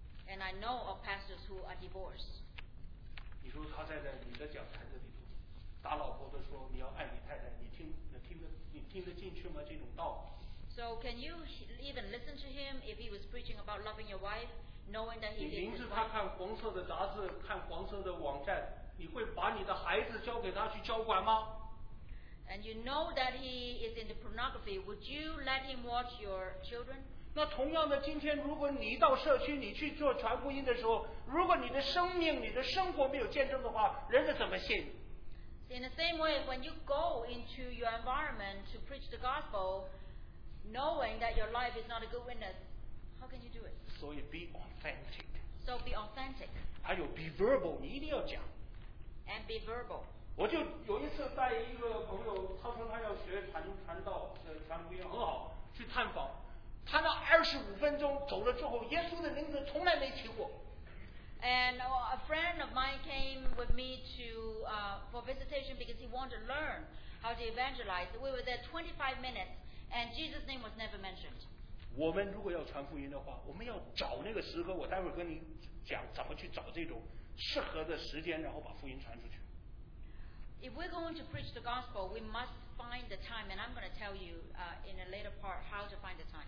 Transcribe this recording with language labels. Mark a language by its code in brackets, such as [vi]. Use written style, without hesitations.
[en] And I know of pastors who are divorced. [zh] 你说他在你的讲台子里头打老婆的时候，你要爱你太太，你听得进去吗？这种道。 [en] So can you even listen to him if he was preaching about loving your wife, knowing that he? [zh] 你明知他看黄色的杂志，看黄色的网站，你会把你的孩子交给他去交管吗 [en] ？And you know that he is into pornography. Would you let him watch your children? [zh] 那同样的，今天如果你到社区，你去做传福音的时候。如果你的生命你的生活没有见证的话人家怎么信 [en] In the same way when you go into your environment to preach the gospel knowing that your life is not a good witness how can you do it? So be authentic So be authentic [zh] 还有 [en] be verbal [zh] 你一定要讲 [en] And be verbal [zh] 我就有一次带一个朋友他说他要学传道传福音很好去探访他那25分钟走了之后耶稣的名字从来没提过 [en] And a friend of mine came with me to for visitation because he wanted to learn how to evangelize. We were there 25 minutes, and Jesus' name was never mentioned. [zh] 我们如果要传福音的话，我们要找那个时刻。我待会儿跟你讲怎么去找这种适合的时间，然后把福音传出去。 [en] If we're going to preach the gospel, we must find the time, and I'm going to tell you in a later part how to find the time.